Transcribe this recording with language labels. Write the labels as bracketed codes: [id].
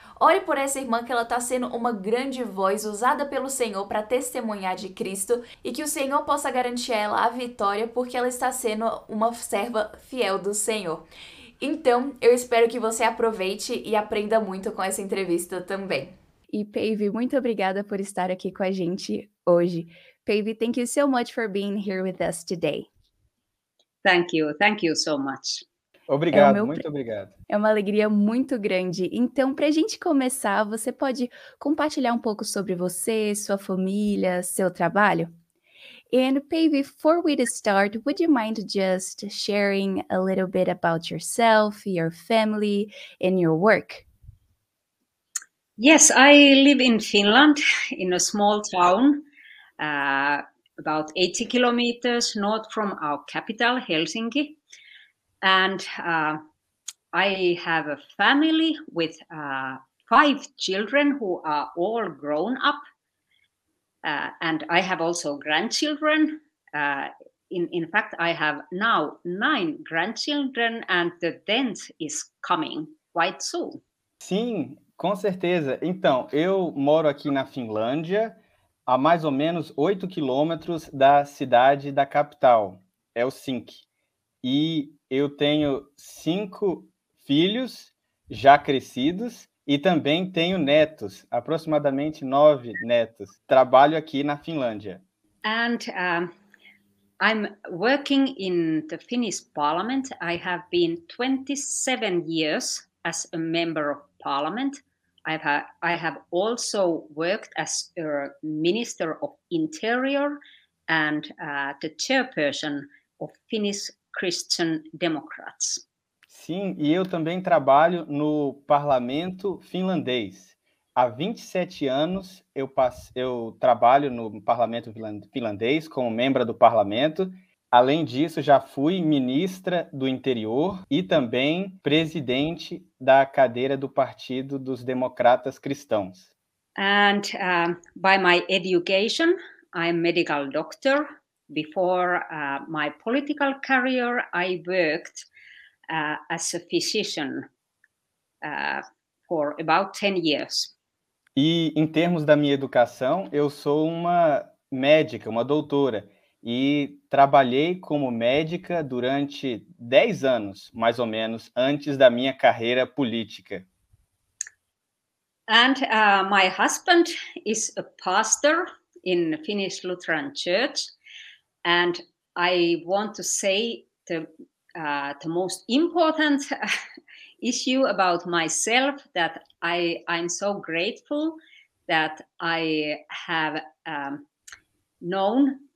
[pt] Ore por essa irmã, que ela está sendo uma grande voz usada pelo Senhor para testemunhar de Cristo, e que o Senhor possa garantir a ela a vitória, porque ela está sendo uma serva fiel do Senhor. Então, eu espero que você aproveite e aprenda muito com essa entrevista também. E Päivi, muito obrigada por estar aqui com a gente hoje. [en] Päivi, thank you so much for being here with us today. Thank you so much. [pt] Obrigado, muito obrigado. É uma alegria muito grande. Então, para a gente começar, você pode compartilhar um pouco sobre você, sua família, seu trabalho? [en] And, Päivi, before we start, would you mind just sharing a little bit about yourself, your family, and your work? Yes, I live in Finland, in a small town, about 80 kilometers north from our capital, Helsinki. And I have a family with 5 children who are all grown up. And I have also grandchildren. In fact, I have now 9 grandchildren and the 10th is coming quite soon. [pt] Sim, com certeza. Então, eu moro aqui na Finlândia, a mais ou menos 8 quilômetros da cidade da capital, Helsinki. E eu tenho 5 filhos já crescidos e também tenho netos, aproximadamente 9 netos. Trabalho aqui na Finlândia. [en] And I'm working in the Finnish Parliament. I have been 27 years as a member of Parliament. I have also worked as a Minister of Interior and the chairperson of Finnish Christian Democrats. [pt] Sim, e eu também trabalho no parlamento finlandês. Há 27 anos eu trabalho no parlamento finlandês como membro do parlamento. Além disso, já fui ministra do interior e também presidente da cadeira do Partido dos Democratas Cristãos. [en] And by my education, I'm a medical doctor. Before my political career, I worked as a physician for about 10 years. [pt] E em termos da minha educação, eu sou uma médica, uma doutora, e trabalhei como médica durante 10 anos, mais ou menos, antes da minha carreira política. [en] And my husband is a pastor in Finnish Lutheran Church. And I want to say the most important issue about myself, that I'm so grateful that I have known